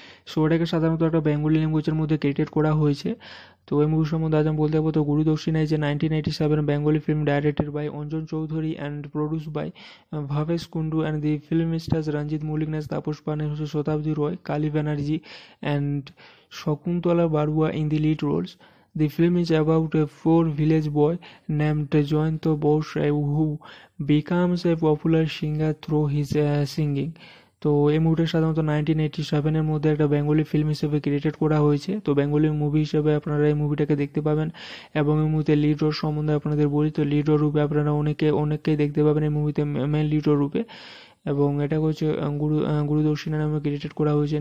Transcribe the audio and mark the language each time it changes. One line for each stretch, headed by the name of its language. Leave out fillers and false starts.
Bangla: So এটাকে সাধারণত একটা বেঙ্গলি ল্যাঙ্গুয়েজের মধ্যে ক্রিয়েটেড করা হয়েছে। তো এই মুভি সম্বন্ধে আজ আমি বলতে যাবো, তো গুরুদক্ষিণা যে 1997 Bengali film,
English: Directed by Anjan Chowdhury and produce by Bhabesh Kundu, and the film stars Ranjit Mallick, নাচ Tapas Paul, Satabdi Roy, Kali Banerjee and Shakuntala Barua in the lead roles. The film is about a poor village boy named Jayanta Bose who becomes a popular singer through his singing.
Bangla: তো এই মুভিটা সাধারণত 1987 মধ্যে একটা Bengali film হিসেবে created করা হয়েছে। তো বেঙ্গলি মুভি হিসেবে আপনারা এই মুভিটাকে দেখতে পাবেন, এবং এই মুভিতে লিড রোল সম্বন্ধে আপনাদের বলি, তো লিড রোল রূপে আপনারা অনেকে অনেককেই দেখতে পাবেন এই মুভিতে মেন লিড রোল রূপে। এবং এটা হচ্ছে গুরুদক্ষিণা নামে ক্রিয়েটেড করা হয়েছে।